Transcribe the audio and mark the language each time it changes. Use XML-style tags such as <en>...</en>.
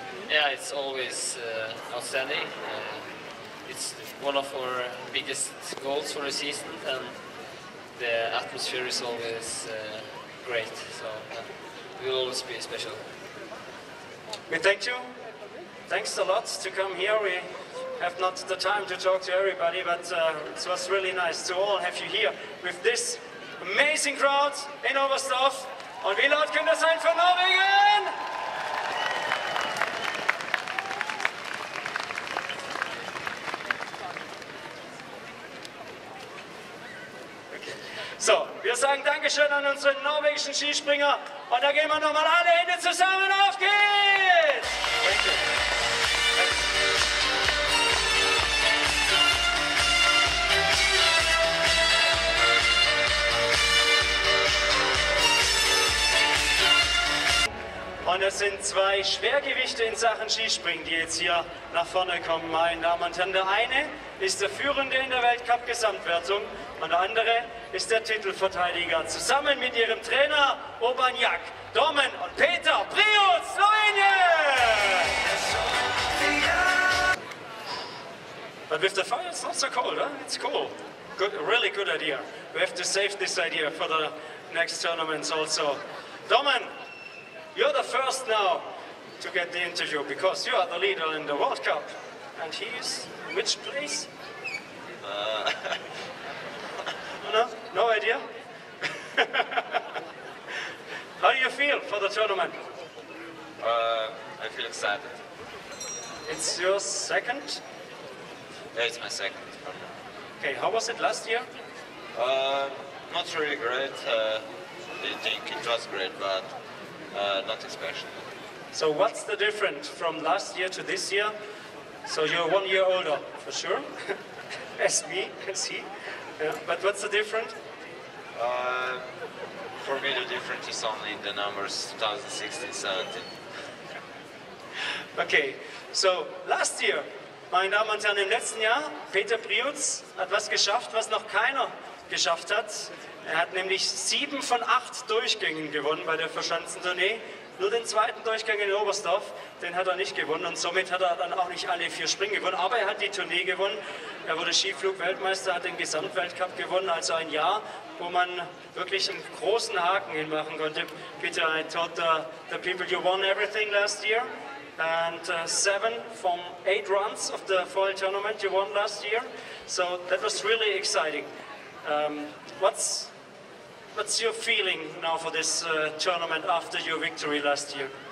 <en>Yeah, it's always outstanding. It's one of our biggest goals for the season, and the atmosphere is always great, so it will always be special. We thank you. Thanks a lot to come here. We have not the time to talk to everybody, but it was really nice to all have you here with this amazing crowd in Oberstdorf.</en> <de>Und wie laut könnte sein für Norwegen? So, wir sagen Dankeschön an unsere norwegischen Skispringer und da gehen wir nochmal alle Hände zusammen. Auf geht's! Und Das sind zwei Schwergewichte in Sachen Skispringen, die jetzt hier nach vorne kommen, meine Damen und Herren. Der eine ist der Führende in der Weltcup-Gesamtwertung und der andere ist der Titelverteidiger. Zusammen mit ihrem Trainer Obanjak, Domen und Peter Prius, Slowenien!</de> <en>But with the fire, it's not so cold, huh? It's cool. Good, really good idea. We have to save this idea for the next tournaments also. Domen, you're the first now to get the interview because you are the leader in the World Cup. And he is in which place? No? No idea? How do you feel for the tournament? I feel excited. It's your second? Yeah, it's my second. Okay, how was it last year? Not really great. I think it was great, but not special. So what's the difference from last year to this year? So you're 1 year older, for sure. As me, as he. Yeah. But what's the difference? For me, the difference is only in the numbers 2016-17. Okay, so last year,</en> <de>meine Damen und Herren, im letzten Jahr, Peter Priutz hat was geschafft, was noch keiner geschafft hat. Er hat nämlich 7 von 8 Durchgängen gewonnen bei der Verschanzentournee. Nur den zweiten Durchgang in Oberstdorf, den hat er nicht gewonnen. Und somit hat er dann auch nicht alle 4 Springen gewonnen. Aber er hat die Tournee gewonnen. Er wurde Skiflug-Weltmeister, hat den Gesamtweltcup gewonnen. Also ein Jahr, wo man wirklich einen großen Haken hinmachen konnte.</de> <en>Peter, I told the people you won everything last year. And 7 from 8 runs of the foil tournament you won last year. So that was really exciting. What's your feeling now for this tournament after your victory last year?</en>